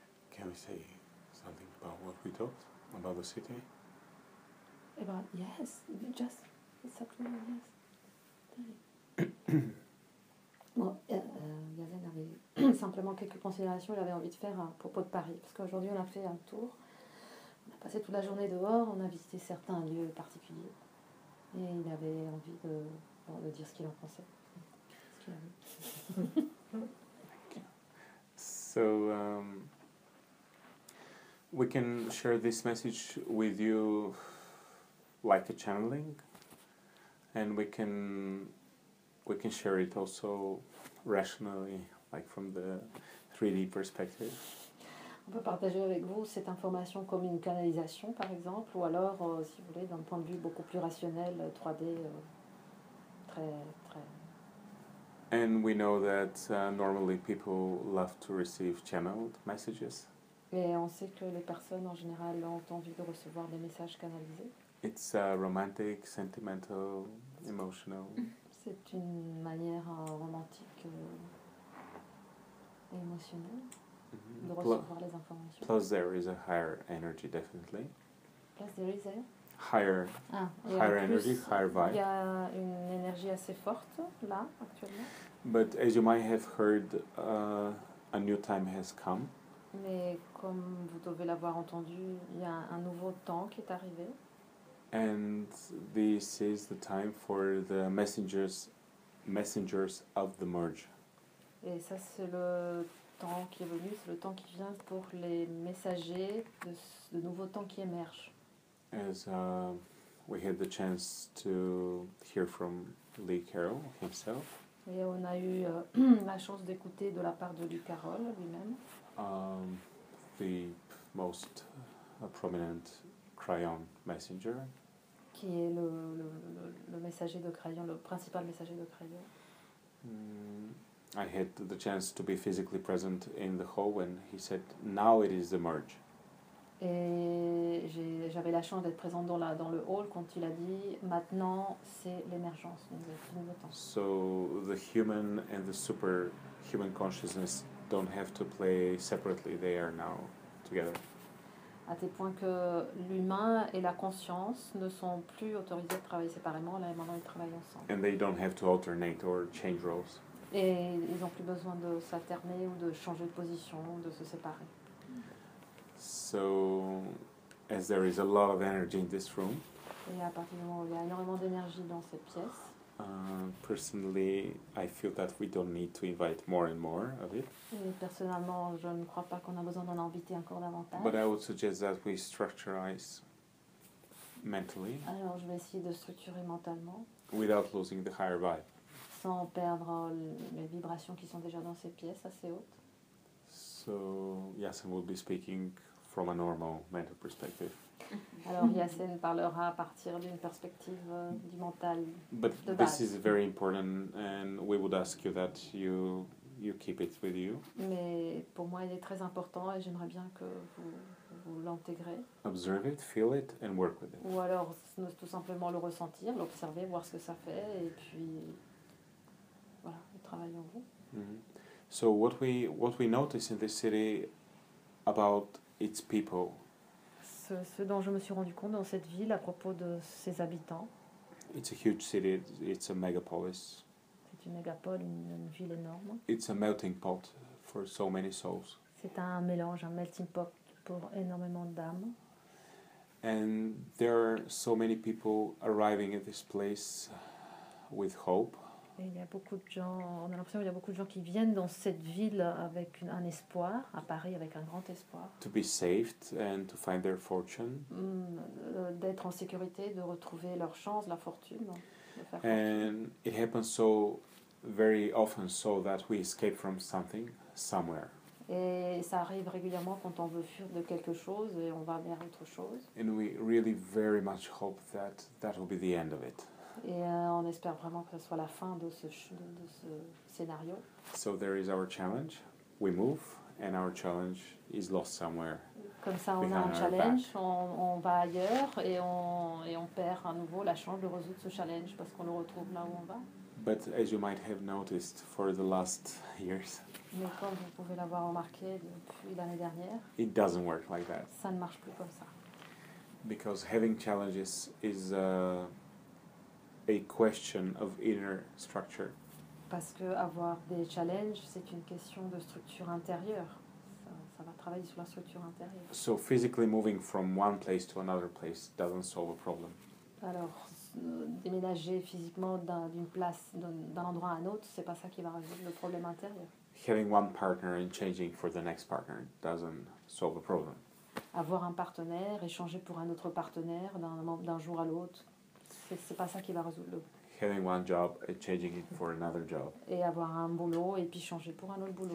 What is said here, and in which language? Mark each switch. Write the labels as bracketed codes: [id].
[en] Can we say something about what we talked? About the city? About, yes, just, it's up to you, yes. [fr] Bon, Yazen avait simplement quelques considérations qu'il avait envie de faire à propos de Paris. Parce qu'aujourd'hui, on a fait un tour. On a passé toute la journée dehors, on a visité certains lieux particuliers. Et il avait envie de, bon, de dire ce qu'il en pensait. Ce qu'il avait. [en] So, we can share this message with you like a channeling. And we can share it also rationally, like from the 3D perspective. [fr] On peut partager avec vous cette information comme une canalisation, par exemple, ou alors, si vous voulez, d'un point de vue beaucoup plus rationnel, 3D, très, très... [en] And we know that normally people love to receive channeled messages. [fr] Et on sait que les personnes, en général, ont envie de recevoir des messages canalisés. [en] It's romantic, sentimental, emotional... [fr] C'est une manière romantique et émotionnelle de recevoir les informations. [en] Plus there is a higher energy, definitely. Plus there is a... Higher energy, higher vibe. [fr] Il y a une énergie assez forte, là, actuellement. [en] But as you might have heard, a new time has come. [fr] Mais comme vous devez l'avoir entendu, il y a un nouveau temps qui est arrivé. [en] And this is the time for the messengers of the merge. [fr] Et ça c'est le temps qui est venu, c'est le temps qui vient pour les messagers de ce nouveau temps qui émerge. [en] As we had the chance to hear from Lee Carroll himself. [fr] Et on a eu la chance d'écouter de la part de Lee Carroll lui-même. [en] The most prominent Crayon messenger. [fr] Qui est le messager de crayon, le principal messager de crayon. [en] I had the chance to be physically present in the hall when he said, "Now it is the merge." [fr] Et j'avais la chance d'être présente dans le hall quand il a dit, "Maintenant c'est l'émergence, nouveau temps." [en] So the human and the superhuman consciousness don't have to play separately; they are now together. [fr] À tel point que l'humain et la conscience ne sont plus autorisés de travailler séparément, là maintenant ils travaillent ensemble. [en] And they don't have to alternate or change roles. [fr] Et ils n'ont plus besoin de s'alterner ou de changer de position, de se séparer. [en] So, as there is a lot of energy in this room. [fr] Et à partir du moment où il y a énormément d'énergie dans cette pièce. [en] Personally, I feel that we don't need to invite more and more of it. [fr] Et personnellement, je ne crois pas qu'on a besoin d'en inviter encore davantage. [en] But I would suggest that we structureize mentally. [fr] Alors, je vais essayer de structurer mentalement. [en] Without losing the higher vibe. [fr] Sans perdre les vibrations qui sont déjà dans ces pièces assez hautes. [en] So, Yassin will be speaking from a normal mental perspective. [fr] Alors Yassine parlera à partir d'une perspective du mental. [en] But [fr] de base. [en] This is very important, and we would ask you that you keep it with you. [fr] Mais pour moi, il est très important, et j'aimerais bien que vous ou l'intégrer. [en] Observe it, feel it, and work with it. [fr] Ou alors tout simplement le ressentir, l'observer, voir ce que ça fait, et puis voilà, le travail en vous. Mm-hmm. [en] So what we notice in this city about its people. [fr] Ce dont je me suis rendu compte dans cette ville à propos de ses habitants. [en] It's a huge city. It's a megapolis. [fr] C'est une mégapole, une ville énorme. [en] It's a melting pot for so many souls. [fr] C'est un mélange, un melting pot pour énormément d'âmes. [en] And there are so many people arriving at this place with hope. [fr] Et il y a beaucoup de gens, on a l'impression qu'il y a beaucoup de gens qui viennent dans cette ville avec un espoir, à Paris avec un grand espoir. [en] To be saved and to find their fortune. [fr] D'être en sécurité, de retrouver leur chance, la fortune. [en] And it happens so very often so that we escape from something somewhere. [fr] Et ça arrive régulièrement quand on veut fuir de quelque chose et on va vers autre chose. [en] And we really very much hope that that will be the end of it. [fr] Et on espère vraiment que ce soit la fin de ce scénario. [en] So there is our challenge. We move and our challenge is lost somewhere. [fr] Comme ça, on a un challenge, on va ailleurs et on perd à nouveau la chance de résoudre ce challenge parce qu'on le retrouve là où on va. [en] But as you might have noticed for the last years. [fr] Mais comme vous pouvez l'avoir remarqué depuis l'année dernière. [en] It doesn't work like that. [fr] Ça ne marche plus comme ça. [en] Because having challenges is a question of inner structure. [fr] Parce que avoir des challenges, c'est une question de structure intérieure. Ça va travailler sur la structure intérieure. [en] So physically moving from one place to another place doesn't solve a problem. [fr] Alors déménager physiquement d'un endroit à un autre, c'est pas ça qui va résoudre le problème intérieur. [en] Having one partner and changing for the next partner doesn't solve a problem. [fr] Avoir un partenaire et changer pour un autre partenaire d'un jour à l'autre, c'est pas ça qui va résoudre le problème. [en] Having one job and changing it for another job. [fr] Et avoir un boulot et puis changer pour un autre boulot.